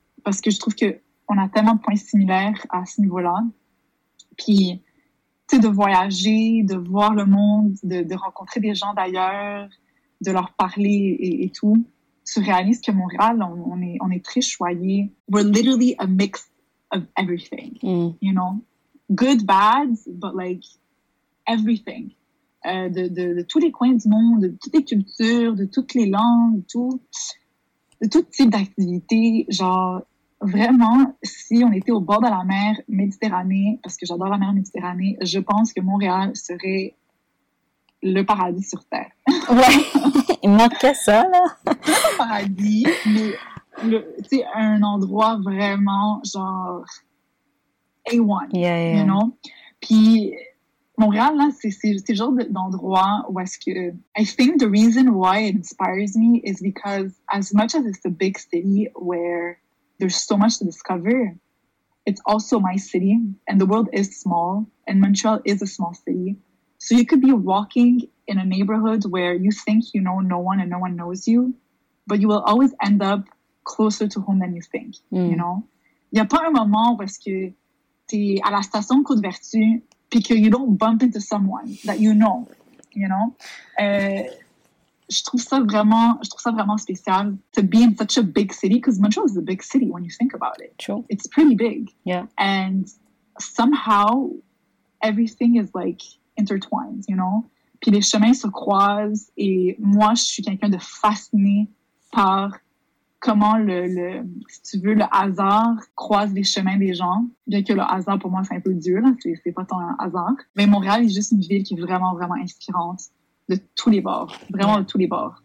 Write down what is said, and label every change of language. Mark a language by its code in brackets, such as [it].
[fr] Parce que je trouve qu'on a tellement de points similaires à ce niveau-là. Puis... Tu sais, de voyager, de voir le monde, de rencontrer des gens d'ailleurs, de leur parler et tout. Tu réalises que Montréal, on est très choyé. [en] We're literally a mix of everything, you know? Good, bad, but like, everything. [fr] De tous les coins du monde, de toutes les cultures, de toutes les langues, de tout type d'activité, genre... Vraiment, si on était au bord de la mer Méditerranée, parce que j'adore la mer Méditerranée, je pense que Montréal serait le paradis sur Terre. Ouais, il manquait ça, là. C'est un paradis, mais tu sais, un endroit vraiment genre A1, you know? Puis Montréal, là, c'est le genre d'endroit où est-ce que... [en] I think the reason why it inspires me is because as much as it's a big city where... There's so much to discover. It's also my city, and the world is small, and Montreal is a small city. So you could be walking in a neighborhood where you think you know no one and no one knows you, but you will always end up closer to home than you think, you know? [fr] Il n'y a pas un moment où est-ce que t'es à la station Côte-Vertu puis que [en] you don't bump into someone that you know? [fr] Je trouve ça vraiment spécial [en] to be in such a big city, because Montreal is a big city when you think about it. True. It's pretty big. Yeah. And somehow, everything is like intertwined, you know? [fr] Puis les chemins se croisent, et moi, je suis quelqu'un de fasciné par comment le si tu veux, le hasard croise les chemins des gens. Bien que le hasard, pour moi, c'est un peu dur, là, c'est pas tant un hasard. Mais Montréal est juste une ville qui est vraiment, vraiment inspirante de tous les bords, vraiment de tous les bords.